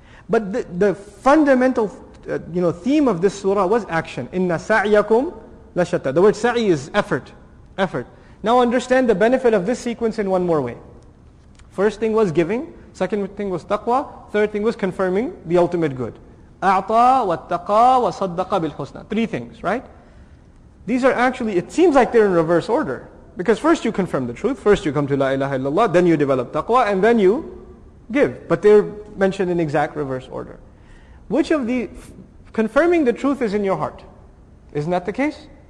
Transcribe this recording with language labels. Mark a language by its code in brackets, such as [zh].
[en] But the fundamental theme of this surah was action. [ar] Inna sa'yakum lashatta. [en] The word sa'y is effort. Effort. Now understand the benefit of this sequence in one more way. First thing was giving, second thing was taqwa, third thing was confirming the ultimate good. [ar] أعطى واتقى وصدق بالحسنى. [en] Three things, right? These are actually, it seems like they're in reverse order. Because first you confirm the truth, first you come to La ilaha illallah, then you develop taqwa, and then you give. But they're mentioned in exact reverse order. Which of the, confirming the truth is in your heart. Isn't that the case?